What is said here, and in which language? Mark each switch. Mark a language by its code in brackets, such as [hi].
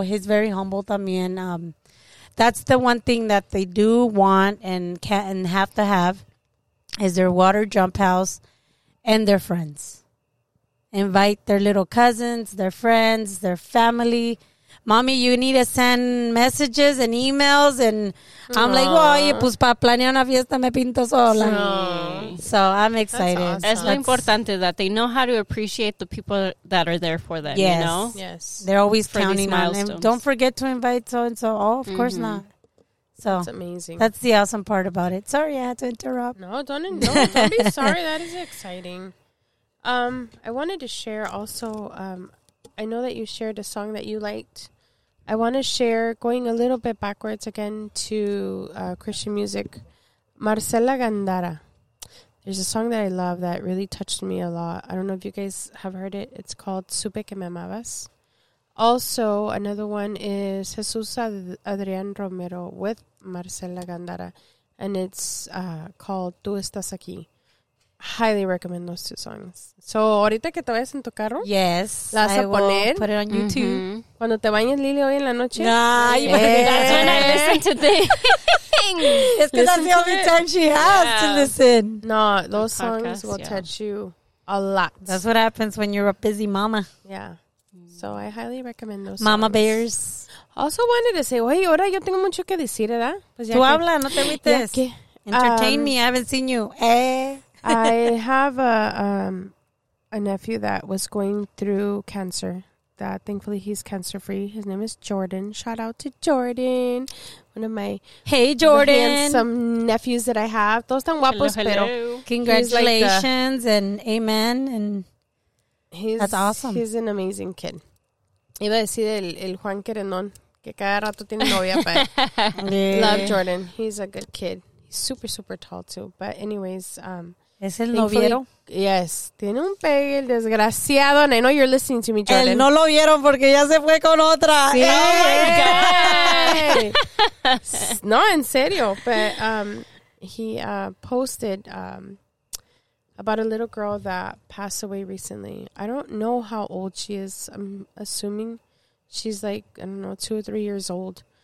[en] He's very humble [es] también. [en] That's the one thing that they do want and can and have to have is their water jump house and their friends. Invite their little cousins, their friends, their family. Mommy, you need to send messages and emails. And I'm aww. Like, well, [es] oye, pues para planear una fiesta me pinto sola. [en] So I'm excited. That's awesome. [es] Es lo importante [en] that they know how to appreciate the people that are there for them, yes. You know? Yes. They're always for counting on them. Don't forget to invite so-and-so. Oh, of mm-hmm. course not. So that's amazing. That's the awesome part about it. Sorry, I had to interrupt. No, don't be sorry. That is exciting. I wanted to share also... I know that you shared a song that you liked. I want to share, going a little bit backwards again to Christian music, Marcela Gandara. There's a song that I love that really touched me a lot. I don't know if you guys have heard it. It's called Supe Que Me Amabas. Also, another one is Jesús Adrián Romero with Marcela Gandara. And it's called Tú Estás Aquí. Highly recommend those two songs. So, [es] ahorita que te vayas en tu carro. [en] Yes. [es] Las vas a poner. [en] Put it on YouTube. Mm-hmm. [es] Cuando te bañes, Lily, hoy en la noche. [en] Ay, that's when I listen to things. It's because that's the only time she has to listen. No, those podcast, songs will touch you a lot. That's what happens when you're a busy mama. Yeah. So, I highly recommend those mama Mama Bears. Also wanted to say, [es] oye, ahora yo tengo mucho que decir, ¿verdad? Pues ya tú que, habla, no te metes. [en] Entertain me, I haven't seen you. I have a nephew that was going through cancer. That thankfully he's cancer free. His name is Jordan. Shout out to Jordan, one of my hey Jordan handsome nephews that I have. [es] Todos están guapos, [en] hello, hello. [es] Pero [en] congratulations like and amen and he's that's awesome. He's an amazing kid. [es] Iba a decir el Juan Querendón que cada rato tiene novia. [en] Love Jordan. He's a good kid. He's super super tall too. But anyways, [es] ¿Es el no vieron? [en] Yes. [es] Tiene un pegue, el desgraciado. [en] And I know you're listening to me, Jordan. [es] El no lo vieron porque ya se fue con otra. Sí. [en] Hey. Oh, my God. [es] No, en serio. [en] But he posted about a little girl that passed away recently. I don't know how old she is. I'm assuming she's like, I don't know, 2 or 3 years old.